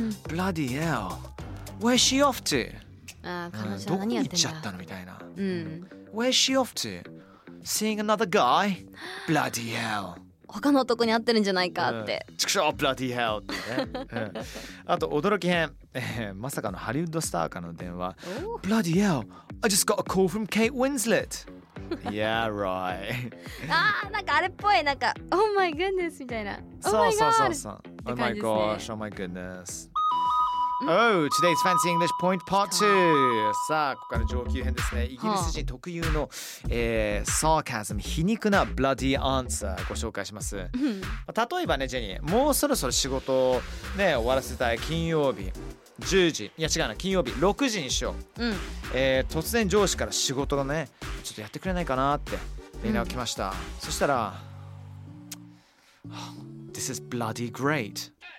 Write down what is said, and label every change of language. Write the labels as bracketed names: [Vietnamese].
[English] Bloody hell Where is she off to? [Japanese] あ、彼女どこに行っちゃったのみたいな、うん、 [English] Where's she off to? Seeing another guy? Bloody hell [Japanese] 他の男に会ってるんじゃないかって、うん、ちくしょう [English] Bloody hell [Japanese] って、ね、あと驚き編、まさかのハリウッドスターからの電話、 [English] Bloody hell I just got a call from Kate Winslet Yeah right [Japanese] あーなんかあれっぽい、なんか [English] Oh my goodness [Japanese] みたいな、そうそうそうそう、 [English] Oh my gosh Oh my goodnessOh, today's Fancy English Point Part 2! [Japanese] さあ、ここから上級編ですね。イギリス人特有の、サーカズム、皮肉なブラディーアンサーご紹介します。例えばね、ジェニー、もうそろそろ仕事を、ね、終わらせたい。金曜日10時。いや、違うな。金曜日6時にしよう。うん、突然上司から仕事がね、ちょっとやってくれないかなって連絡来ました。うん、そしたら、 [English] This is bloody great.